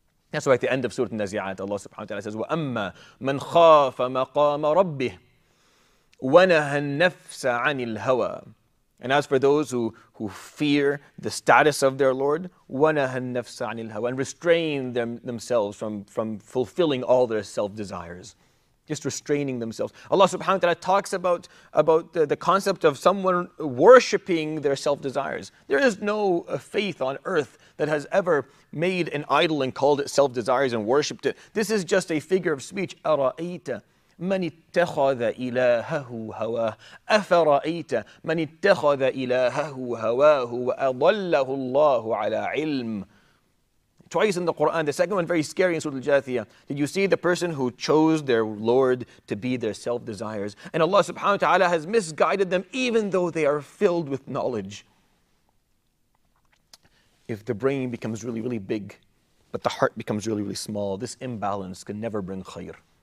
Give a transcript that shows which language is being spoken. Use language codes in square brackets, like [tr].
[en] That's why at the end of Surah An-Nazi'at, Allah subhanahu wa ta'ala says, [ar] وَأَمَّا مَنْ خَافَ مَقَامَ رَبِّهِ وَنَهَى النَّفْسَ عَنِ الْهَوَىٰ [en] And as for those who fear the status of their Lord, [ar] وَنَهَى النَّفْسَ عَنِ الْهَوَىٰ [en] And restrain themselves from fulfilling all their self-desires. Just restraining themselves. Allah subhanahu wa ta'ala talks about the concept of someone worshipping their self-desires. There is no faith on earth that has ever made an idol and called it self-desires and worshipped it. This is just a figure of speech. [ar] أَرَأَيْتَ مَنِ اتَّخَذَ إِلَاهَهُ هَوَاهُ أَفَرَأَيْتَ مَنِ اتَّخَذَ إِلَاهَهُ هَوَاهُ وَأَضَلَّهُ اللَّهُ عَلَىٰ عِلْمٍ [en] Twice in the Quran, the second one very scary in Surah Al-Jathiyah. Did you see the person who chose their Lord to be their self-desires? And Allah subhanahu wa ta'ala has misguided them even though they are filled with knowledge. If the brain becomes really, really big, but the heart becomes really, really small, this imbalance can never bring khayr.